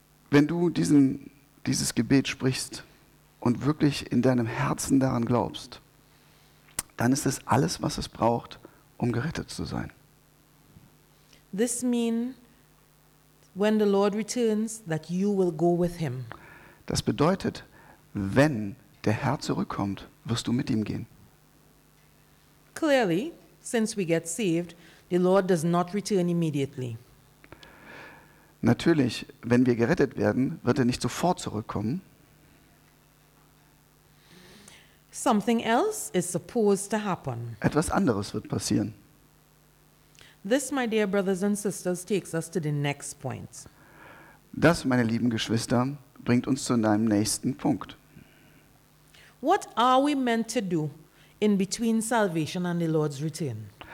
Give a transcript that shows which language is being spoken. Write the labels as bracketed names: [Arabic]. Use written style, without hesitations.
[German] Wenn du dieses Gebet sprichst und wirklich in deinem Herzen daran glaubst, dann ist es alles, was es braucht, um gerettet zu sein. [English] This means when the Lord returns that you will go with him. [German] Das bedeutet, wenn der Herr zurückkommt, wirst du mit ihm gehen. [English] Clearly, since we get saved, the Lord does not return immediately. [German] Natürlich, wenn wir gerettet werden, wird er nicht sofort zurückkommen. [English] Something else is supposed to happen. [German] Etwas anderes wird passieren. [English] This, my dear brothers and sisters, takes us to the next point. [German] Das, meine lieben Geschwister, bringt uns zu einem nächsten Punkt. [English] What are we meant to do in between salvation and the Lord's return?